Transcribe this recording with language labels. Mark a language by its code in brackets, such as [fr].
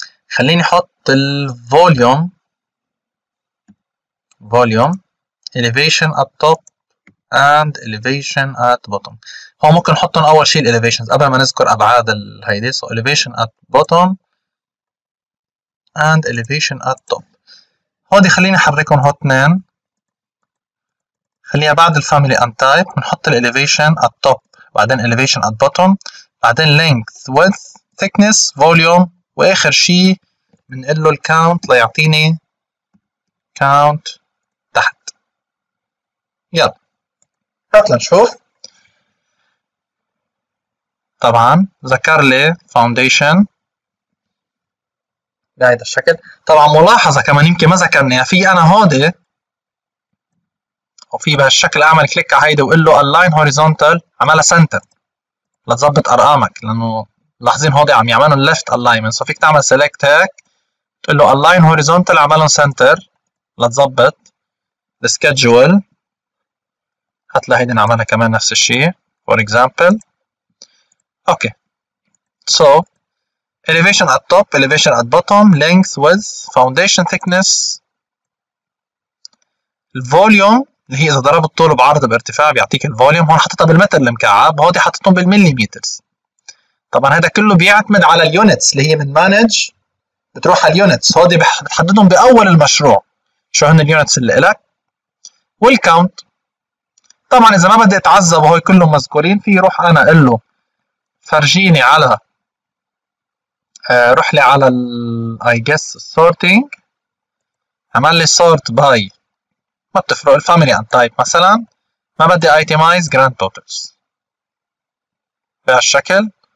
[ar] خليني احط الفوليوم [en] elevation at top and elevation at bottom. [ar] هو ممكن نحطهم اول شيء elevations قبل ما نذكر ابعاد الهيدي. [en] So elevation at bottom and elevation at top. [ar] هودي خليني احركهم هو اثنين. خليها بعد الفاميلي ان تايب بنحط الاليفيشن ات توب بعدين الاليفيشن ات بوتوم بعدين لينث ويث ثيكنس فوليوم واخر شيء بنقول له الكاونت ليعطيني كاونت تحت. يلا هات لنشوف. طبعا ذكر لي فاونديشن بهذا الشكل. طبعا ملاحظه كمان يمكن ما ذكرني في انا هودي وفي بهالشكل اعمل كليك على هيدا وقول له align horizontal عملها center لتظبط ارقامك لانه لاحظين هودي عم يعملوا left alignment. سو فيك تعمل select هيك تقول له align horizontal عملهم center لتظبط [en] the schedule. [ar] هتلاقي هيدا نعملها كمان نفس الشيء [en] for example. Okay so elevation at top elevation at bottom length width foundation thickness volume [ar] اللي هي إذا ضربت طوله بعرض بارتفاع بيعطيك الفوليوم. هون حطيتها بالمتر المكعب وهودي حطيتهم بالمليمترز. طبعا هذا كله بيعتمد على اليونتس اللي هي من مانج بتروح على اليونتس. هودي بتحددهم بأول المشروع شو هن اليونتس اللي إلك والكاونت. طبعا إذا ما بدي أتعذب وهو كلهم مذكورين فيه روح أنا أقول له فرجيني على روح لي على الـ [en] I guess [ar] sorting عمل لي sort by ما بتفرق الفاميلي ان تايب مثلا ما بدي ايتمايز جراند توتلز بهالشكل.